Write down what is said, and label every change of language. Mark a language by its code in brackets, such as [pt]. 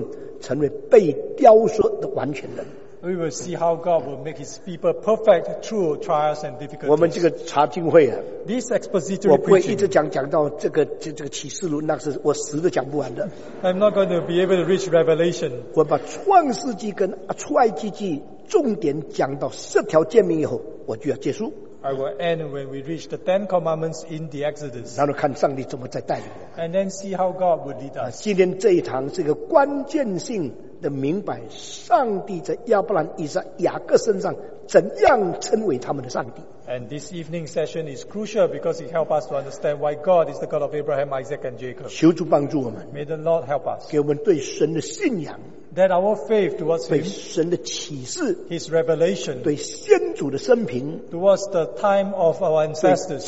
[zh] 我们就看上帝怎么训练他的百姓在受苦中间成为被雕塑的完全人。 [en] We will see how God will make His people perfect through trials and difficulties. [zh] 我们这个查经会啊, [en] this expository preaching, [zh] 我不会一直讲到这个启示录, 那是我死都讲不完的。 [en] I'm not going to be able to reach Revelation. [zh] 我把创世纪跟出埃及记重点讲到十条诫命以后, 我就要结束。 [en] I will end when we reach the Ten Commandments in the Exodus. [zh] 然后看上帝怎么再带领我, [en] and then see how God will lead us. [zh] 今天这一堂是一个关键性, 明白上帝在亚伯兰、以撒、雅各身上怎样称为他们的上帝。 [en] And this evening session is crucial because it helps us to understand why God is the God of Abraham, Isaac and Jacob. [zh] 求主帮助我们, [en] may the Lord help us. [zh] 给我们对神的信仰, [en] that our faith towards him, [zh] 对神的启示, [en] his revelation, [zh] 对先祖的生平, [en] towards the time of our ancestors,